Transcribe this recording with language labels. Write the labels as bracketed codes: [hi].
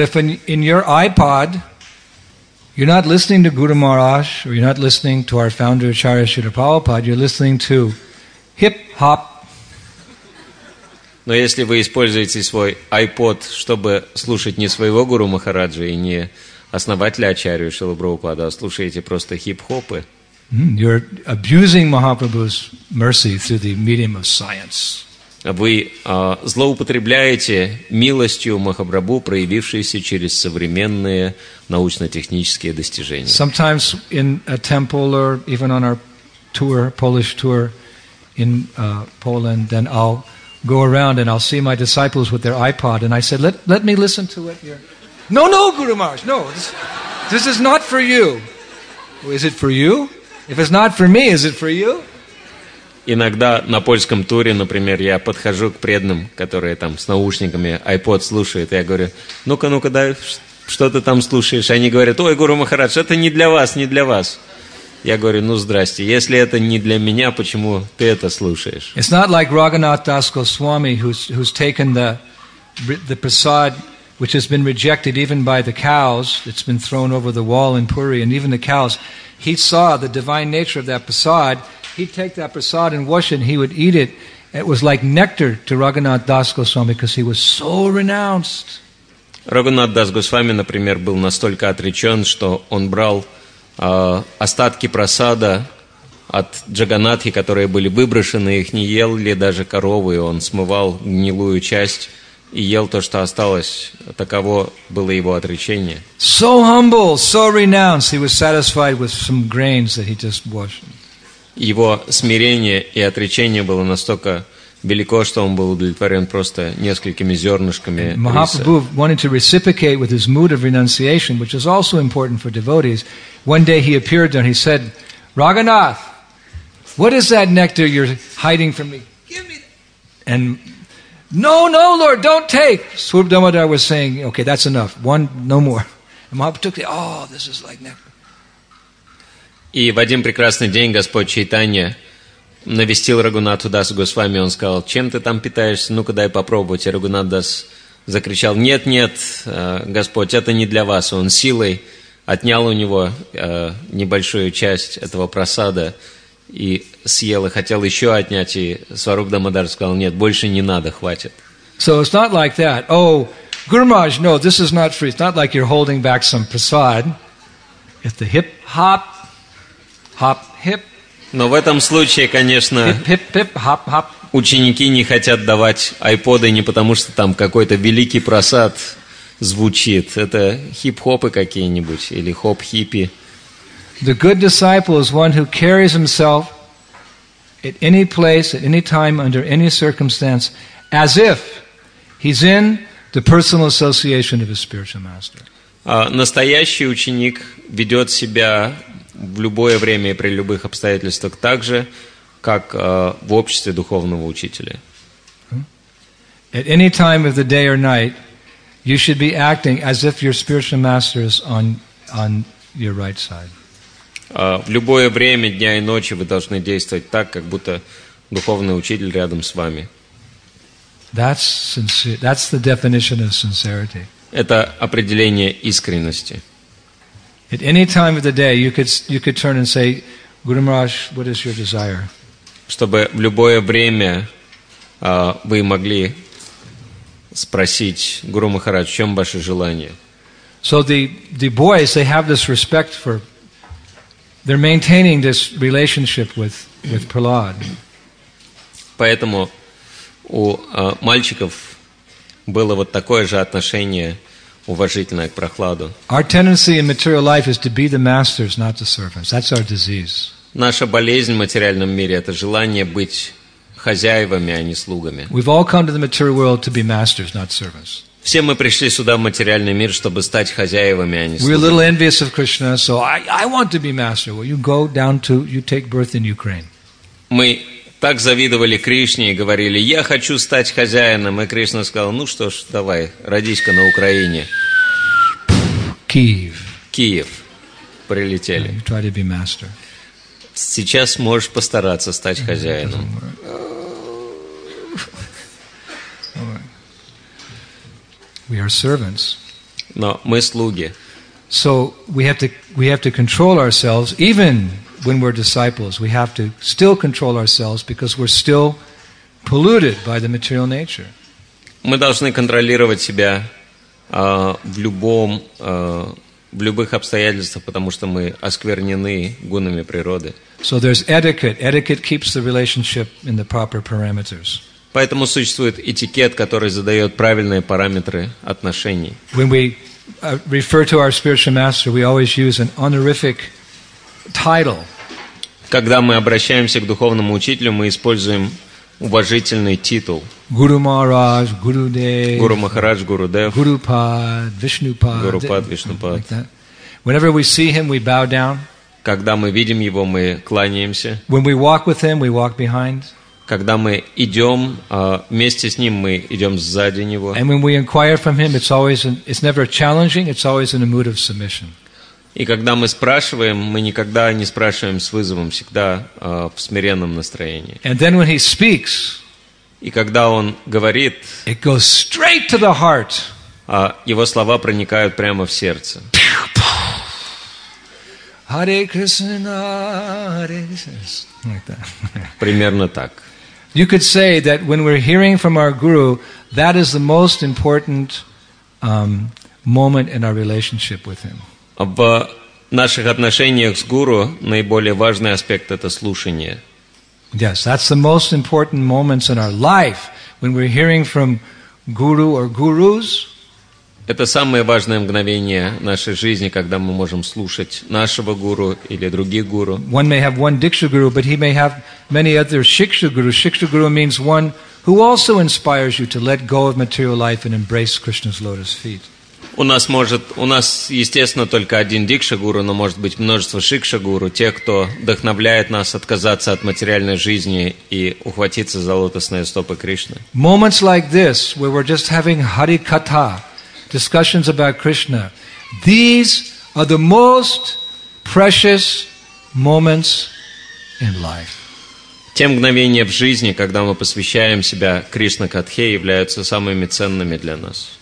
[en] But if in your iPod you're not listening to Guru Maharaj, or you're not listening to our founder Acharya Srila Prabhupada, you're listening to hip-hop. [ru] Но если вы используете свой iPod, чтобы слушать не своего Гуру Махараджа и не основателя Ачарью Шрилы Прабхупады, а слушаете просто хип-хопы, [en] you're abusing Mahaprabhu's mercy through the medium of science. [ru] Вы злоупотребляете милостью Махапрабху, проявившейся через современные научно-технические достижения. [en] Sometimes in a temple or even on our tour, Polish tour in Poland, then I'll go around and I'll see my disciples with their iPod, and I said, let me listen to it here. No, Guru Maharaj, no, this is not for you. Is it for you? If it's not for me, is it for you? [ru] Иногда на польском туре, например, я подхожу к преданным, которые там с наушниками iPod слушают, и я говорю, ну-ка, дай, что ты там слушаешь? Они говорят, ой, Гуру Махарадж, это не для вас. Я говорю, ну, здрасте, если это не для меня, почему ты это слушаешь? [en] It's not like Raghunath Das Goswami, who's taken the prasad, which has been rejected even by the cows, it's been thrown over the wall in Puri, and even the cows, he saw the divine nature of that prasad. He'd take that prasad and wash it, and he would eat it. It was like nectar to Raghunath Das Goswami because he was so renounced. [ru] Raghunath Das Goswami, например, был настолько отречен, что он брал остатки прасада от Джаганатхи, которые были выброшены, их не ел ли даже коровы, и он смывал гнилую часть и ел то, что осталось. Таково было его отречение. [en] So humble, so renounced, he was satisfied with some grains that he just washed. [ru] Его смирение и отречение было настолько велико, что он был удовлетворен просто несколькими зернышками риса. [en] Mahaprabhu wanted to reciprocate with his mood of renunciation, which is also important for devotees. One day he appeared there and he said, Raghunath, what is that nectar you're hiding from me? Give me that. And no, Lord, don't take. Swarup Damodar was saying, okay, that's enough. One, no more. And Mahaprabhu took the, oh, this is like nectar. [ru] И в один прекрасный день Господь Чайтанья навестил Рагунату Дасу Госвами. Он сказал, чем ты там питаешься? Ну-ка, дай попробовать. И Рагунат Дас закричал, нет, Господь, это не для вас. Он силой отнял у него небольшую часть этого просада и съел, и хотел еще отнять. И Сварупа Дамодар сказал, нет, больше не надо, хватит. [en] So it's not like that. Oh, Гурмаж, no, this is not free. It's not like you're holding back some prasad. If the hip-hop... Hop, hip. [ru] Но в этом случае, конечно, [en] hip, hop. [ru] Ученики не хотят давать айподы не потому, что там какой-то великий просад звучит. Это хип-хопы какие-нибудь или хоп-хиппи. [en] The good disciple is one who carries himself at any place, at any time, under any circumstance, as if he's in the personal association of his spiritual master. [ru] Настоящий ученик ведет себя в любое время и при любых обстоятельствах так же, как в обществе духовного учителя. [en] At any time of the day or night, you should be acting as if your spiritual master is on your right side. [ru] В любое время дня и ночи вы должны действовать так, как будто духовный учитель рядом с вами. [en] That's the definition of sincerity. [ru] Это определение искренности. [en] At any time of the day, you could turn and say, Guru Maharaj, what is your desire? [ru] Чтобы в любое время вы могли спросить Гуру Махарадж, в чем ваше желание? [en] So the boys, they have this respect for, they're maintaining this relationship with Prahlad. [ru] Поэтому у мальчиков было вот такое же отношение уважительное к прохладу. [en] Our tendency in material life is to be the masters, not the servants. That's our disease. [ru] Наша болезнь в материальном мире – это желание быть хозяевами, а не слугами. [en] We've all come to the material world to be masters, not servants. [ru] Все мы пришли сюда в материальный мир, чтобы стать хозяевами, а не слугами. [en] We're a little envious of Krishna, so I want to be master. Well, you go down to, you take birth in Ukraine. [ru] Мы так завидовали Кришне и говорили, я хочу стать хозяином. И Кришна сказал, ну что ж, давай, родись-ка на Украине. Киев. Киев. Прилетели. [en] You try to be master. [ru] Сейчас можешь постараться стать хозяином. [en] We are servants. [ru] Но мы слуги. [en] So we have to control ourselves, even when we're disciples. We have to still control ourselves because we're still polluted by the material nature. [ru] Мы должны контролировать себя в любых обстоятельствах, потому что мы осквернены гунами природы. [en] So there's etiquette. Etiquette keeps the relationship in the proper parameters. [ru] Поэтому существует этикет, который задает правильные параметры отношений. [en] When we refer to our spiritual master, we always use an honorific title. [ru] Когда мы обращаемся к духовному учителю, мы используем уважительный титул. [sa] Guru Maharaj, Guru Dev. Guru Maharaj, Guru Dev. Guru Pad, Vishnu Pad. Guru Pad, Vishnu Pad. [en] Like that. Whenever we see him, we bow down. [ru] Когда мы видим его, мы кланяемся. [en] When we walk with him, we walk behind. [ru] Когда мы идем вместе с ним, мы идем сзади него. [en] And when we inquire from him, it's never challenging. It's always in a mood of submission. [ru] И когда мы спрашиваем, мы никогда не спрашиваем с вызовом, всегда в смиренном настроении. [en] And then when he speaks, [ru] и когда он говорит, [en] it goes straight to the heart. [ru] Его слова проникают прямо в сердце. [en] Hare Krishna, Hare Krishna, like that. [ru] Примерно так. [en] You could say that when we're hearing from our guru, that is the most important moment in our relationship with him. [ru] В наших отношениях с гуру наиболее важный аспект это слушание. [en] Yes, that's the most important moments in our life when we're hearing from guru or gurus. [ru] Это самое важное мгновение нашей жизни, когда мы можем слушать нашего гуру или других гуру. [en] One may have one Diksha guru, but he may have many other Shiksha gurus. Shiksha guru means one who also inspires you to let go of material life and embrace Krishna's lotus feet. [ru] У нас, естественно, только один Дикша гуру, но может быть множество Шикша гуру, те, кто вдохновляет нас отказаться от материальной жизни и ухватиться за лотосные стопы Кришны. [en] Moments like this, where we're just having Harikatha, discussions about Krishna. These are the most precious moments in life. [ru] Те мгновения в жизни, когда мы посвящаем себя Кришна-катхе, являются самыми ценными для нас.